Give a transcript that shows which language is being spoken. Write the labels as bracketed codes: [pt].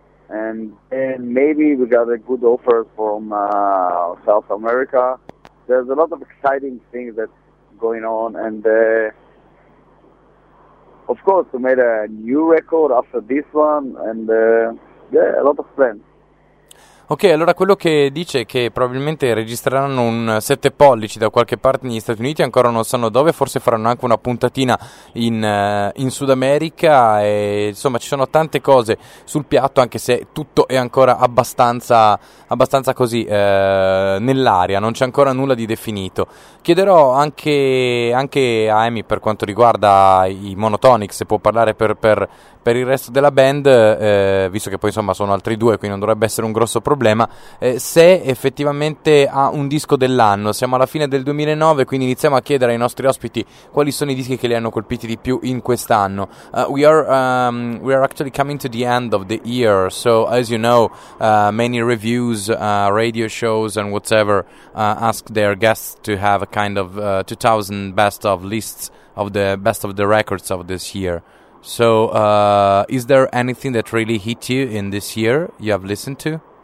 [en] And maybe we got a good offer from South America. There's a lot of exciting things that's going on. And of course, we made a new record after this one. And Yeah, a lot of friends. [it] Ok, allora quello che dice è che probabilmente registreranno un 7 pollici da qualche parte negli Stati Uniti, ancora non sanno dove, forse faranno anche una puntatina in Sud America, e insomma ci sono tante cose sul piatto, anche se tutto è ancora abbastanza così nell'aria, non c'è ancora nulla di definito. Chiederò anche a Amy per quanto riguarda i Monotonic, se può parlare per il resto della band, visto che poi insomma sono altri due, quindi non dovrebbe essere un grosso problema, se effettivamente ha un disco dell'anno. Siamo alla fine del 2009, quindi iniziamo a chiedere ai nostri ospiti quali sono i dischi che li hanno colpiti di più in quest'anno. [en] We are actually coming to the end of the year, so as you know, many reviews, radio shows and whatever ask their guests to have a kind of 2000 best of lists of the best of the records of this year. So is there anything that really hit you in this year you have listened to?